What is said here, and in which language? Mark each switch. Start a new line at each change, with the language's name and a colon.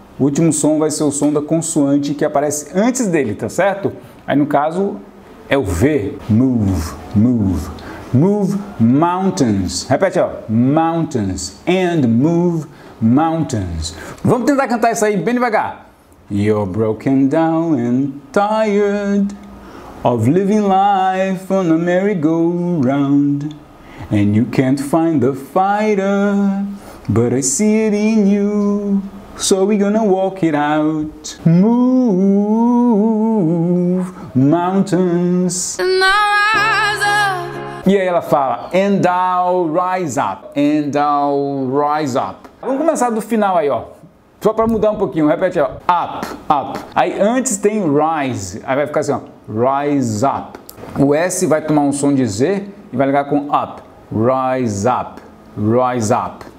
Portuguese: O último som vai ser o som da consoante que aparece antes dele, tá certo? Aí no caso, é o V.
English: Move, move. Move mountains.
Portuguese: Repete, ó.
English: Mountains. And move mountains.
Portuguese: Vamos tentar cantar isso aí bem devagar.
English: You're broken down and tired of living life on a merry-go-round. And you can't find the fighter, but I see it in you, so we're gonna walk it out. Move mountains. And I'll rise up.
Portuguese: E aí ela fala,
English: and I'll rise up. And I'll rise up.
Portuguese: Vamos começar do final aí, ó. Só para mudar um pouquinho, repete, ó. Up, up. Aí antes tem rise, aí vai ficar assim, ó.
English: Rise up.
Portuguese: O S vai tomar um som de Z e vai ligar com up.
English: Rise up, rise up.